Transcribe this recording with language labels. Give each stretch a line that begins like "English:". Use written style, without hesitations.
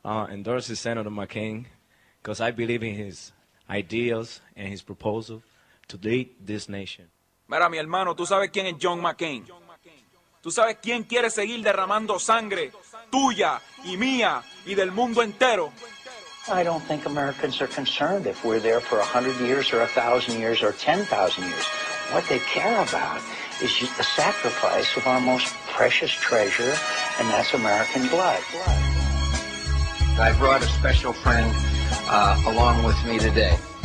English: endorse Senator McCain, because I believe in his ideals and his proposal to lead this nation.
Spanish: Mira, mi hermano, tú sabes quién es John McCain. Tú sabes quién quiere seguir derramando sangre tuya y mía y del mundo entero.
English: I don't think Americans are concerned if we're there for 100 years or 1,000 years or 10,000 years. What they care about is the sacrifice of our most precious treasure, and that's American blood. I brought a special friend along with me today.